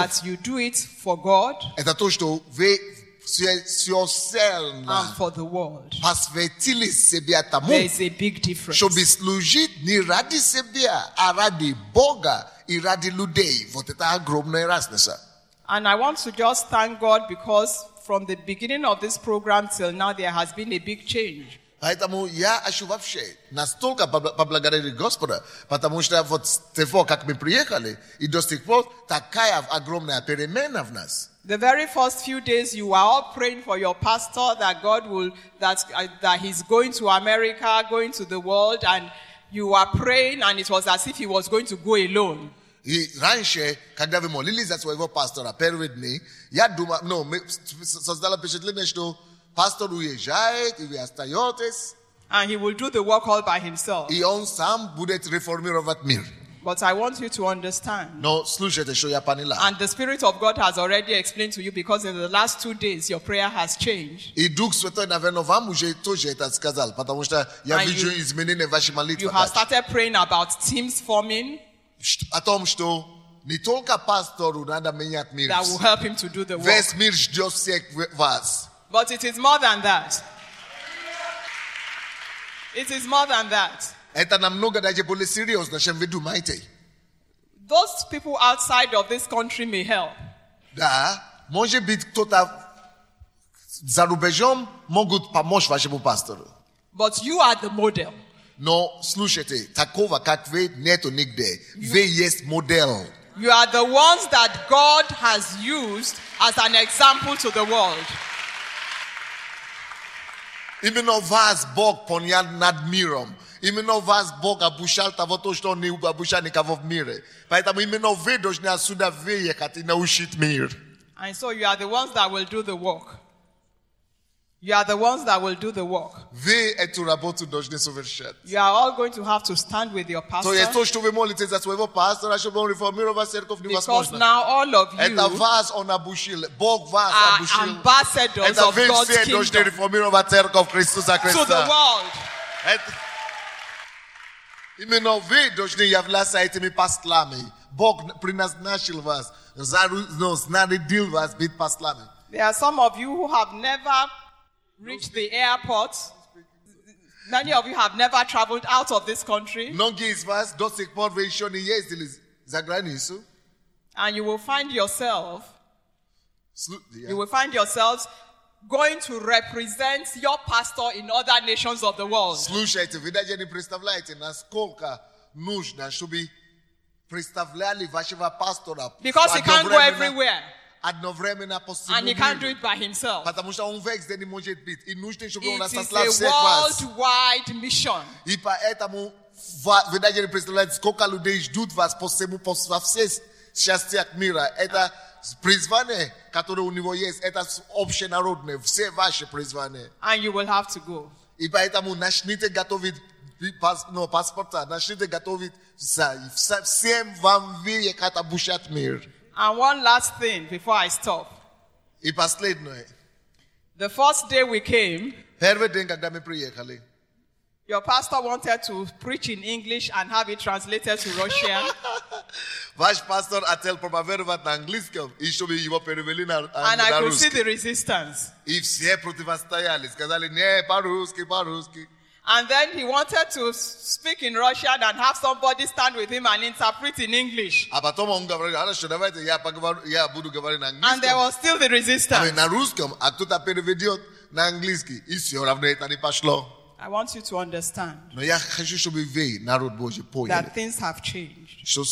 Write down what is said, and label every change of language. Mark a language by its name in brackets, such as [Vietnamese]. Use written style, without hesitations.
[English] is that you do it for God, [Russian] это то, что вы [English] and for the world. [Russian] Посвятили себя тому, [English] there is a big difference. [Russian] Чтобы служить не ради себя, а ради Бога и ради людей. Вот это огромная разница. [English] And I want to just thank God because from the beginning of this program till now there has been a big change. [Russian] Поэтому я ищу вообще настолько поблагодарить Господа, потому что вот с того, как мы приехали, и до сих пор такая огромная перемена в нас. [English] The very first few days you were all praying for your pastor that God will, that he's going to America, going to the world, and you were praying and it was as if he was going to go alone. [Russian] И раньше, когда вы молились за своего пастора, первые дни, я думал, ну, создала впечатление, что пастор уезжает, и вы остаетесь. [English] And he will do the work all by himself. [Russian] И он сам будет реформировать мир. [English] But I want you to understand. [Russian] No, слушайте, что я поняла. [English] And the Spirit of God has already explained to you because in the last 2 days your prayer has changed. [Russian] И Дух Святой, наверное, вам уже тоже это сказал, потому что я вижу изменения в вашей молитве. [English] You have started praying about teams forming. [Russian] О том, что не только пастору надо менять мир. [English] That will help him to do the work. [Russian] Весь мир ждет всех вас. [English] But it is more than that. It is more than that. [Russian] Это намного даже более серьезно, чем вы думаете. [English] Those people outside of this country may help. [Russian] Да, может быть, кто-то за рубежом могут помочь вашему пастору. [English] But you are the model. [Russian] Но слушайте, такого, как вы, нету нигде. Вы есть модель. [English] You are the ones that God has used as an example to the world. [Russian] Именно вас Бог понял над миром. Именно вас Бог обучал того, что не обучал никого в мире. Поэтому именно вы должны отсюда выехать и научить мир. [English] And so you are the ones that will do the work. You are the ones that will do the work. [Russian] Вы эту работу должны совершать. [English] You are all going to have to stand with your pastor. [Russian] То есть то, что вы молитесь за своего пастора, чтобы он реформировал церковь невозможно. [English] Because now all of you [Russian] это вас он обучил. Бог вас обучил. [English] Are ambassadors of God's kingdom. [Russian] Это вы все должны реформировать церковь Христа Христа. [English] To the world. [Russian] Именно вы должны являться этими послами. Бог предназначил вас, снарядил вас быть послами. [English] There are some of you who have never reached the airport. Many of you have never traveled out of this country. [Russian] Многие из вас до сих пор вы еще не ездили за границу. [English] And you will find yourself, you will find yourselves going to represent your pastor in other nations of the world. [Russian] Слушайте, вы даже не представляете, насколько нужно, чтобы представляли вашего пастора. [English] Because he can't go everywhere. [Russian] Одновременно по всему миру. [English] And he can't do it by himself. [Russian] Потому что он везде не может быть. И нужно, чтобы он нас послал всех вас. [English] It is a worldwide mission. [Russian] И поэтому вы даже не представляете, сколько людей ждут вас по всему, по всей части мира. Это призвание, которое у него есть, это общенародное, все ваши призвания. [English] And you will have to go. [Russian] И поэтому начните готовить паспорта, начните готовить всем вам выехать обучать мир. [English] And one last thing before I stop. [Russian] И последнее. [English] The first day we came, [Russian] первый день, когда мы приехали, [English] your pastor wanted to preach in English and have it translated to Russian. [Russian] Ваш пастор хотел проповедовать на английском, и чтобы его перевели на русский. [English] And I could see the resistance. [Russian] И все противостояли, сказали, не, по-русски, по-русски. [English] And then he wanted to speak in Russian and have somebody stand with him and interpret in English. And there was still the resistance. I want you to understand that things have changed.